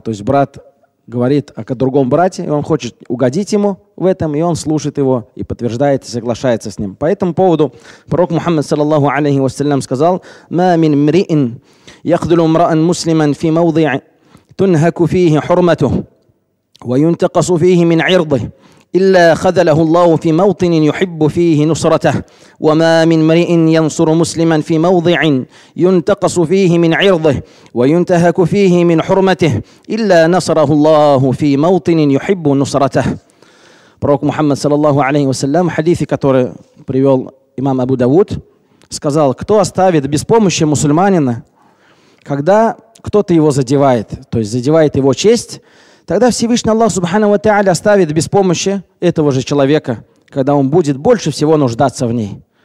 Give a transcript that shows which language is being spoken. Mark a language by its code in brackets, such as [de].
[ru] То есть брат говорит о другом брате, и он хочет угодить ему в этом, и он слушает его, и подтверждает, и соглашается с ним. По этому поводу пророк Мухаммад, саллаллаху алейхи вассалям, сказал: [ar] «Ма мин мри'ин яхдулу мра'ан муслиман фи мауди'ин тунхаку фиихи хурмату, ва юнтакасу фиихи мин ирдих, إلا خذله الله في موطن يحب فيه نصرته وما من مريء ينصر مسلما في موضع ينتقص فيه من عرضه وينتهك فيه من حرمته إلا نصره الله في موطن يحب نصرته. [ru] Пророк Мухаммад саллаллаху алейхи ва саллям, хадисы, которые привел имам Абу Давуд, сказал: кто оставит без помощи мусульманина, когда кто-то его задевает, то есть задевает его честь, тогда Всевышний Аллах Субхана ва Тааля оставит без помощи этого же человека, когда он будет больше всего нуждаться в ней.